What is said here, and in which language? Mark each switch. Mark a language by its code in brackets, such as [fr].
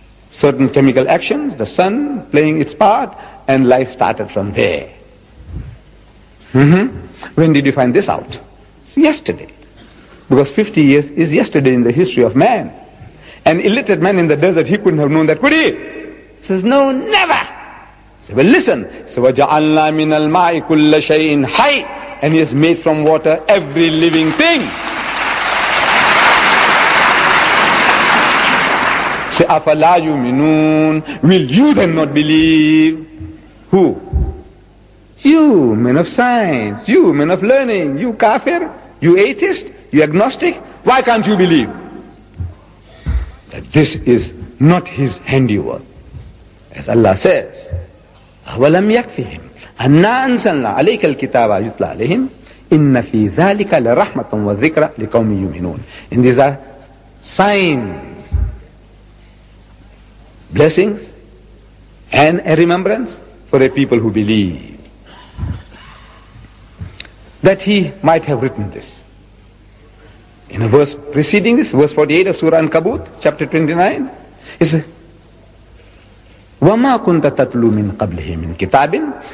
[en] Certain chemical actions, the sun playing its part, and life started from there. When did you find this out? It's yesterday. Because 50 years is yesterday in the history of man. An illiterate man in the desert, he couldn't have known that, could he? He says, no, never. He says, well, listen. He says, [ar] وَجَعَلْنَا مِنَ الْمَاءِ كُلَّ شَيْءٍ حَيٍّ. [en] And he has made from water every living thing. Say, [ar] أَفَلَا يُؤْمِنُونَ. [en] Will you then not believe? Who? You, men of science. You, men of learning. You, kafir. You, atheist. You, agnostic. Why can't you believe that this is not his handiwork? As Allah says, [ar] أَوَلَمْ يَكْفِهِمْ أَنَّا أَنزَلْنَا عَلَيْكَ الْكِتَابَ يُتْلَى عَلَيْهِمْ إِنَّ فِي ذَلِكَ لَرَحْمَةً وَذِكْرَ لِقَوْمِ يُؤْمِنُونَ. [en] And these are signs, blessings, and a remembrance for a people who believe. That he might have written this. In a verse preceding this, verse 48 of Surah An-Kabut, chapter 29, it's [ar] وَمَا كُنْتَ تَتْلُو مِنْ قَبْلِهِ مِنْ كِتَابٍ.